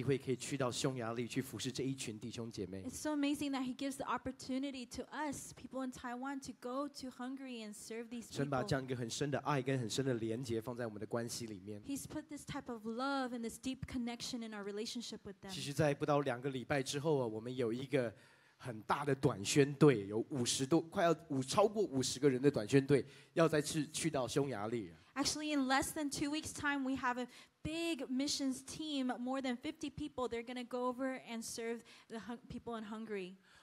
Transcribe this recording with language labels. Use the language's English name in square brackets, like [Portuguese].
[English] It's so amazing that He gives the opportunity to us, people in Taiwan, to go to Hungary and serve these people. He's put this type of love and this deep connection in our relationship with them. [Chinese] 其实在不到两个礼拜之后，我们有一个 很大的短宣队，有五十多，快要五超过50个人的短宣队，要再次去到匈牙利。 [English] Actually, in less than 2 weeks' time, we have a big missions team, more than 50 people. They're going to go over and serve the people in Hungary.